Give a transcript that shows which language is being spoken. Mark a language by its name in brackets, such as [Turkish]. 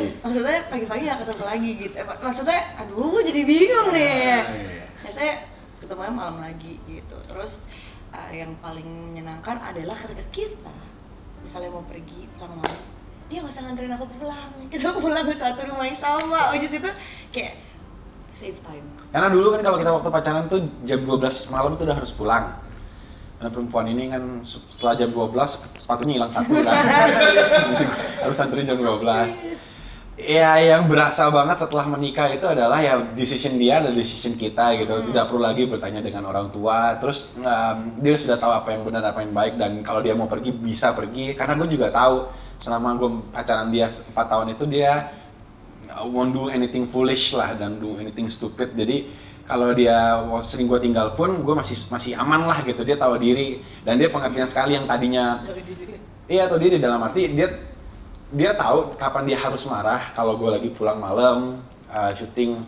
[Indonesian] Maksudnya pagi-pagi gak ketemu lagi gitu. Maksudnya aduh jadi bingung nih. Biasanya ketemunya malam lagi gitu. Terus yang paling menyenangkan adalah ketika kita misalnya mau pergi pulang malam, dia gak usah nganterin aku pulang. Kita pulang satu rumah yang sama. [English] Which is [Indonesian] itu kayak save time. Karena dulu kan kalau kita waktu pacaran tuh jam 12 malam tuh udah harus pulang. Karena perempuan ini kan setelah jam 12 sepatunya hilang satu kan. Harus anterin jam 12. Ya yang berasa banget setelah menikah itu adalah ya decision dia dan decision kita gitu. Tidak perlu lagi bertanya dengan orang tua. Terus dia sudah tahu apa yang benar, apa yang baik, dan kalau dia mau pergi bisa pergi. Karena gue juga tahu selama gue pacaran dia 4 tahun itu dia [English] won't do anything foolish lah, don't do anything stupid. [Indonesian] Jadi kalau dia sering gue tinggal pun, gue masih aman lah gitu. Dia tahu diri dan dia pengertian sekali yang tadinya iya tahu diri dalam arti dia tahu kapan dia harus marah kalau gue lagi pulang malam syuting.